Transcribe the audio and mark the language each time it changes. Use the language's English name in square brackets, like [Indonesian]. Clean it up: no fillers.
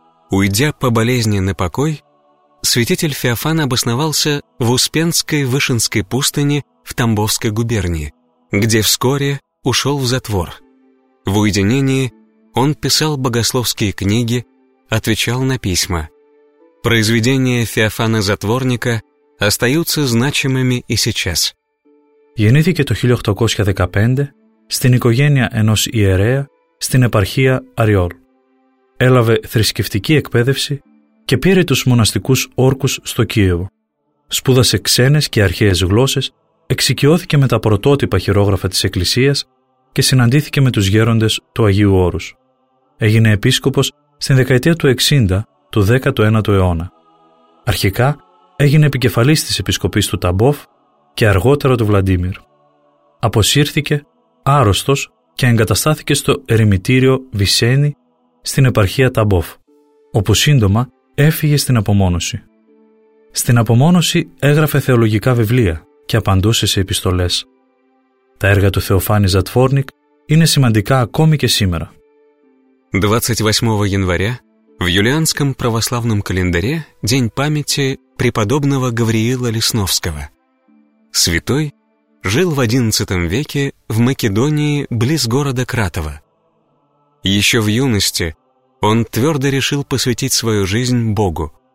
[Russian] Уйдя по болезни на покой, святитель Феофан обосновался в Успенской Вышинской пустыне в Тамбовской губернии, где вскоре ушел в затвор. В уединении он писал богословские книги, отвечал на письма. Произведения Феофана Затворника остаются значимыми и сейчас. [Greek] Γεννήθηκε το 1815 στην οικογένεια ενός ιερέα στην επαρχία Αριόλ. Έλαβε θρησκευτική εκπαίδευση και πήρε τους μοναστικούς όρκους στο Κίεβο. Σπούδασε ξένες και αρχαίες γλώσσες, εξοικειώθηκε με τα πρωτότυπα χειρόγραφα της Εκκλησίας και συναντήθηκε με τους γέροντες του Αγίου Όρους. Έγινε επίσκοπος στην δεκαετία του 60 του 19ου αιώνα. Αρχικά έγινε επικεφαλής της επισκοπής του Ταμπόφ και αργότερα του Βλαντίμιρ. Αποσύρθηκε άρρωστος και εγκαταστάθηκε στο ερημητήριο Βυσένη στην επαρχία Ταμπόφ, όπου σύντομα έφυγε στην απομόνωση. Στην απομόνωση έγραφε θεολογικά βιβλία και απαντούσε σε επιστολές. Τα έργα του Θεοφάνη Затворник είναι σημαντικά ακόμη και σήμερα. [Russian] 28 января в юлианском православном календаре день памяти преподобного Гавриила Лесновского. Святой жил в XI веке в Македонии близ города Кратова. Еще в юности он твердо решил посвятить свою жизнь Богу.